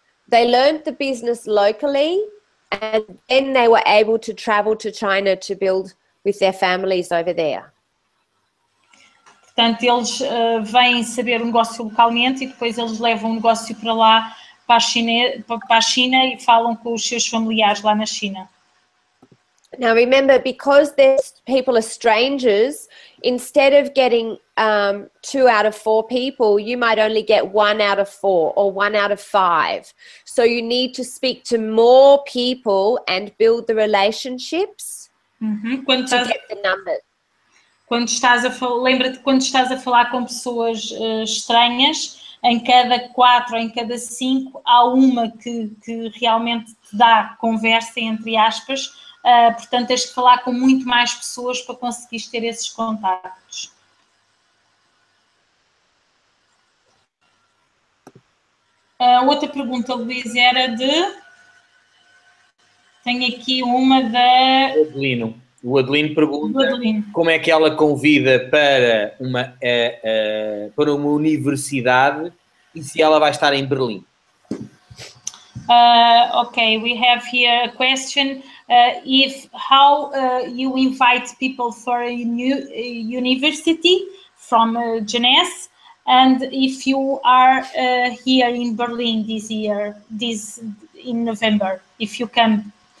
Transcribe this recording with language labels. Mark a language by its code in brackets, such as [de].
[en] They learned the business locally and then they were able to travel to China to build with their families over there. [pt] Portanto, eles vêm saber o negócio localmente e depois eles levam o negócio para lá, para a China e falam com os seus familiares lá na China. [en] Now remember, because these people are strangers, instead of getting two out of four people, you might only get one out of four or one out of five. So you need to speak to more people and build the relationships to get the numbers. [pt] Lembra-te, quando estás a falar com pessoas estranhas, em cada quatro, em cada cinco, há uma que realmente te dá conversa, entre aspas. Portanto, tens de falar com muito mais pessoas para conseguires ter esses contactos. Outra pergunta, Luís, era de... Tenho aqui uma da... Adelino. O Adelino pergunta como é que ela convida para uma universidade e se ela vai estar em Berlim. [en] Okay, we have here a question. How you invite people for a new university from Jeunesse, and if you are here in Berlin this year, in November, if you can...